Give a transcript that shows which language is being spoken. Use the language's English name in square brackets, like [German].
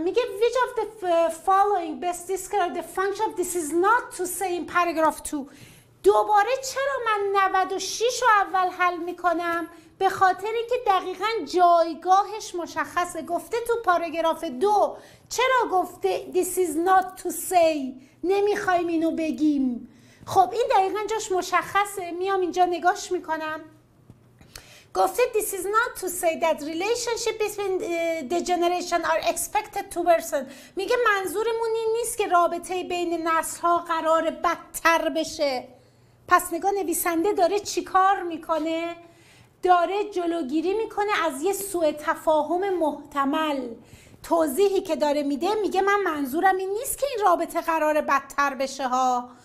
[Persian] میگه [English] which of the following best describe the function of this is not to say in paragraph 2. [Persian] دوباره چرا من 96 رو اول حل میکنم؟ به خاطر اینکه دقیقاً جایگاهش مشخصه. گفته تو پاراگراف دو چرا گفته [English] this is not to say، [Persian] نمیخوایم اینو بگیم. خب این دقیقاً جاش مشخصه، میام اینجا نگاش میکنم. گفته [English] this is not to say that relationship between the generation are expected to worsen. [Persian] میگه منظورمون این نیست که رابطه بین نسل‌ها قرار بدتر بشه. پس نگاه، نویسنده داره چیکار میکنه؟ داره جلوگیری میکنه از یه سوء تفاهم محتمل. توضیحی که داره میده، میگه من منظورم این نیست که این رابطه قرار بدتر بشه ها.